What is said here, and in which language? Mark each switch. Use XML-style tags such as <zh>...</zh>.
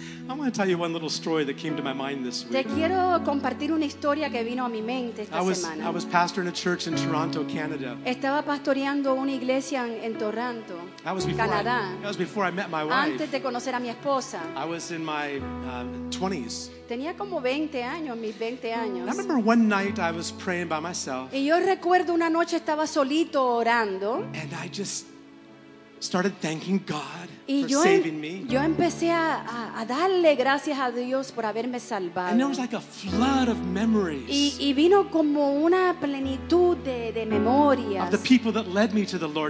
<en>I want to tell you one little story that came to my mind this week.</en> <es>Te quiero compartir una historia que vino a mi mente esta semana.</es> <en>I was pastoring a church in Toronto, Canada.</en> <es>Estaba pastoreando una iglesia en Toronto, Canadá.</es> <en>That was before I met my wife.</en> <es>Antes de conocer a mi esposa.</es> <en>I was in my 20s.</en> <es>Tenía como 20 años, mis 20 años.</es> <en>I remember one night I was praying by myself.</en> <es>Y yo recuerdo una noche estaba solito orando.</es> <en>And I just started thanking God for saving me.</en> <es>Yo empecé a darle gracias a Dios por haberme salvado.</es> <en>And there was like a flood of memories.</en> <es>Y vino como una plenitud de memorias.</es> <en>Of the people that led me to the Lord,</en>